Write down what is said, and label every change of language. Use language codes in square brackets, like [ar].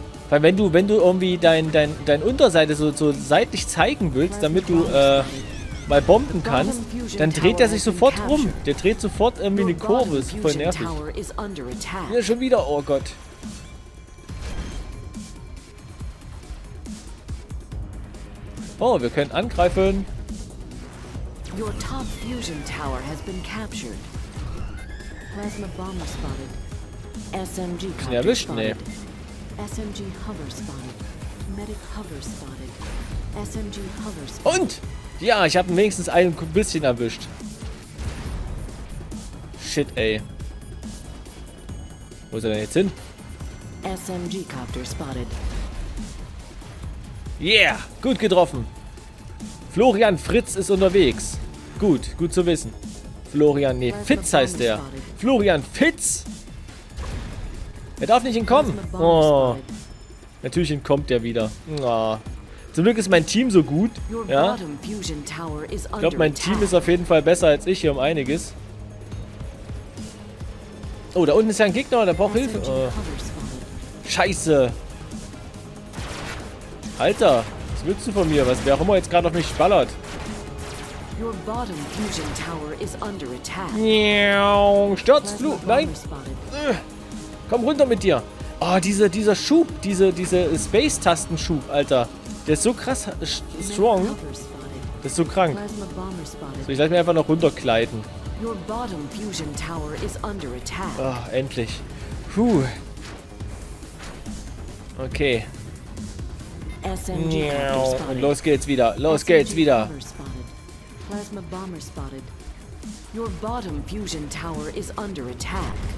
[de] Weil wenn du irgendwie dein Unterseite so seitlich zeigen willst, damit du mal bomben kannst, dann dreht er sich sofort rum. Der dreht sofort irgendwie eine Kurve. Ist voll nervig. Ja, schon wieder, oh Gott. Oh, wir können angreifen. [en] Your top fusion tower has been captured. Plasma bomber spotted. SMG [de] erwischt, [en] spotted. SMG hover spotted. Medic hover spotted. [de] Und? Ja, ich habe wenigstens ein bisschen erwischt. Shit, ey. Wo ist er denn jetzt hin? [en] SMG-Copter spotted. [de] Yeah, gut getroffen. Florian Fritz ist unterwegs. Gut, gut zu wissen. Florian, nee, Fitz heißt der. Florian Fitz? Er darf nicht entkommen. Oh. Natürlich entkommt er wieder. Oh. Zum Glück ist mein Team so gut. Ja. Ich glaube, mein Team ist auf jeden Fall besser als ich hier um einiges. Oh, da unten ist ja ein Gegner, der braucht Hilfe. Oh. Scheiße. Alter, was willst du von mir? Was, wer auch immer jetzt gerade auf mich ballert. [en] Your bottom fusion tower is under attack. [de] Miau, Sturzflug. Nein. Komm runter mit dir. Oh, dieser Schub, diese Space-Tastenschub, Alter. Der ist so krass strong. Das ist so krank. So, ich lasse mich einfach noch runterkleiden. [en] Your bottom fusion tower is under attack. [de] Oh, endlich. Puh. Okay. Miau. Und los geht's wieder. Los SMG geht's wieder. [en] Plasma bomber spotted. Your bottom fusion tower is under attack.